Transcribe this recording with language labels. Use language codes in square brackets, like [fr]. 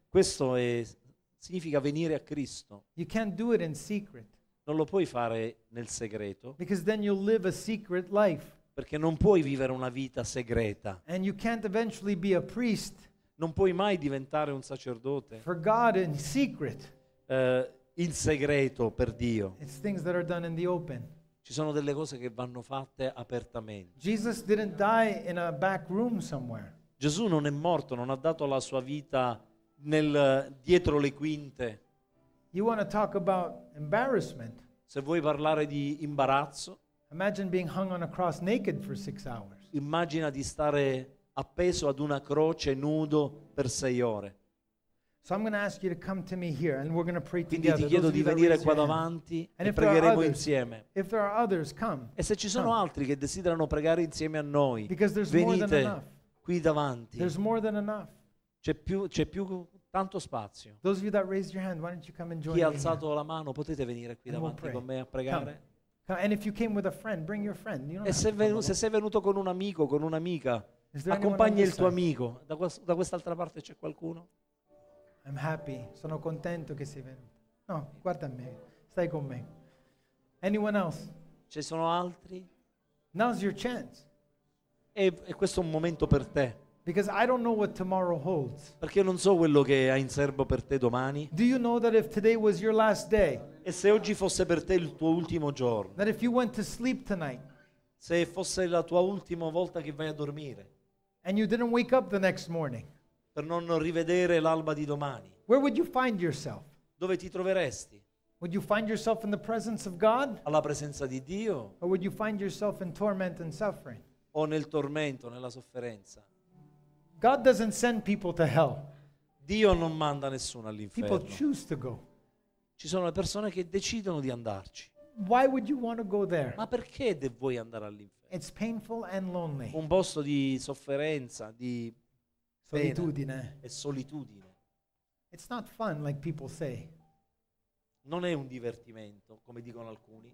[it] Questo è significa venire a Cristo. [en] You can't do it in secret. [it] Non lo puoi fare nel segreto. [en] Because then you'll live a secret life. [it] Perché non puoi vivere una vita segreta. [en] And you can't eventually be a priest. [it] Non puoi mai diventare un sacerdote. [en] For God in secret. [it] In segreto per Dio. [en] It's things that are done in the open. [it] Ci sono delle cose che vanno fatte apertamente. [en] Jesus didn't die in a back room somewhere. [it] Gesù non è morto, non ha dato la sua vita nel dietro le quinte. [en] You want to talk about embarrassment? [it] Se vuoi parlare di imbarazzo. [en] Imagine being hung on a cross naked for 6 hours. [it] Immagina di stare appeso ad una croce nudo per 6 ore. [en] So I'm going to ask you to come to me here and we're going to pray [it] quindi [en] together. [it] Quindi ti chiedo di venire qua davanti [en] and [it] e pregheremo [en] others, [it] insieme. [en] If there are others, come. [it] E se ci sono [en] come. [it] Altri che desiderano pregare insieme a noi, [en] because there's [it] venite [en] more than enough. [it] Qui davanti. [en] There's more than enough. [it] C'è più tanto spazio. [en] Those of you that raised your hand, why don't you come and join [it] chi ha alzato la mano, potete venire qui davanti con me a pregare. [en] And if you came with a friend, bring your friend. You don't [it] e se, venu- se sei venuto con un amico, con un'amica, accompagni il tuo amico. Da quest'altra parte c'è qualcuno? [en] I'm happy. [it] Sono contento che sei venuto. No, guarda me. Stai con me. [en] Anyone else? [it] Ci sono altri? [en] Now's your chance. [it] E questo è un momento per te. [en] Because I don't know what tomorrow holds. [it] Perché non so quello che hai in serbo per te domani. [en] Do you know that if today was your last day? [it] E se oggi fosse per te il tuo ultimo giorno? [en] That if you went to sleep tonight. [it] Se fosse la tua ultima volta che vai a dormire. [en] And you didn't wake up the next morning. [it] Per non rivedere l'alba di domani. [en] Where would you find yourself? [it] Dove ti troveresti? [en] Would you find yourself in the presence of God? [it] Alla presenza di Dio? [en] Or would you find yourself in torment and suffering? [it] O nel tormento, nella sofferenza? [en] God doesn't send people to hell. [it] Dio non manda nessuno all'inferno. [en] People choose to go. [it] Ci sono le persone che decidono di andarci. [en] Why would you want to go there? [it] Ma perché vuoi andare all'inferno? [en] It's painful and lonely. [it] Un posto di sofferenza, di solitudine. E solitudine. [en] It's not fun like people say. [it] Non è un divertimento, come dicono alcuni.